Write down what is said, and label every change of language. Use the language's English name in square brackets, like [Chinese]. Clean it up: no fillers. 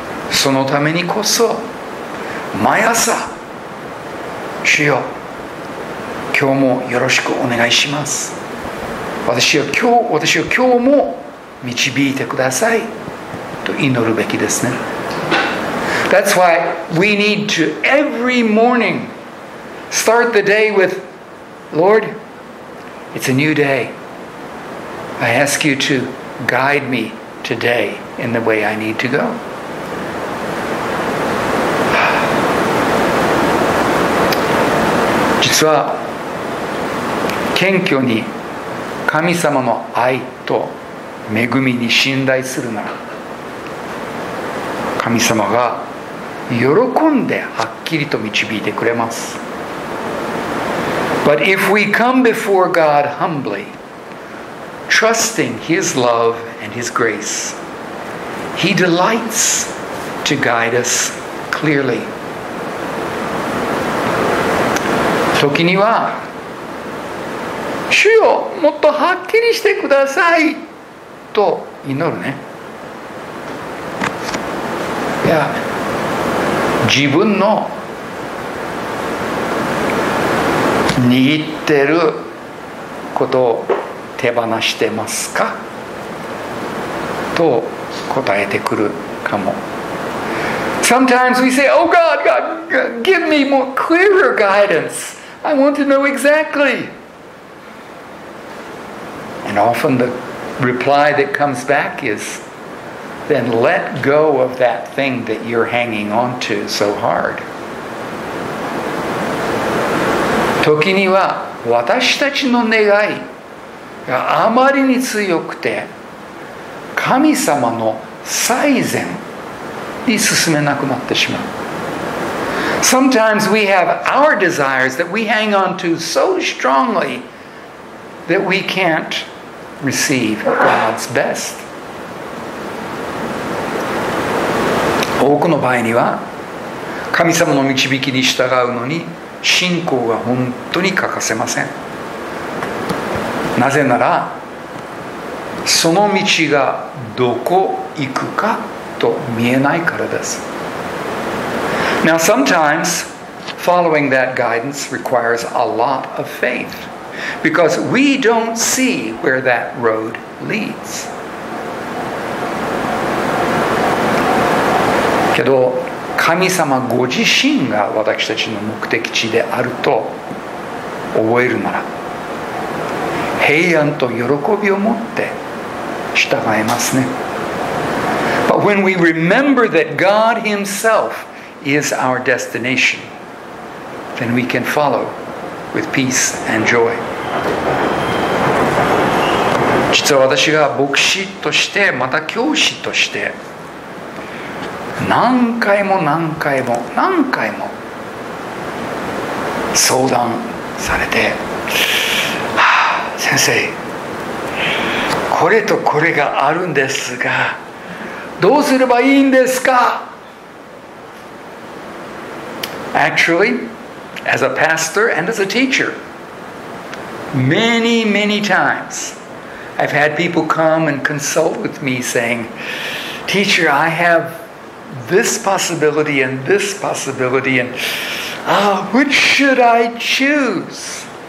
[Japanese] そのためにこそ毎朝、主よ、今日もよろしくお願いします。私を今日も導いてくださいと祈るべきですね。 [English] That's why we need to every morning start the day with, Lord, it's a new day. I ask you to guide me today in the way I need to go. Actually, [Japanese] 謙虚に神様の愛と恵みに信頼するなら、神様が喜んではっきりと導いてくれます。 [English] But if we come before God humbly, trusting His love and His grace, He delights to guide us clearly. [Japanese] 時には、主よ、もっとはっきりしてくださいと祈るね。いや、自分の握ってることを手放してますかと答えてくるかも。 [English] Sometimes we say, Oh God, God, give me more clearer guidance. I want to know exactly. And often the reply that comes back is, Then let go of that thing that you're hanging on to so hard. [Japanese] 時には私たちの願いがあまりに強くて神様の最善に進めなくなってしまう。 [English] Sometimes we have our desires that we hang on to so strongly that we can't receive God's best. [Japanese] 多くの場合には神様の導きに従うのに信仰が本当に欠かせません。なぜならその道がどこ行くかと見えないからです。 [English] Now sometimes following that guidance requires a lot of faith because we don't see where that road leads. [Japanese] けど神様ご自身が私たちの目的地であると覚えるなら平安と喜びを持って従えますね。 [English] But when we remember that God Himself is our destination, then we can follow with peace and joy. [Japanese] 実は私が牧師としてまた教師として何回も何回も何回も相談されて、はあ、先生、これとこれがあるんですが、どうすればいいんですか？ [English] Actually, as a pastor and as a teacher, many, many times I've had people come and consult with me saying, teacher, I have this possibility and this possibility, and which should I choose?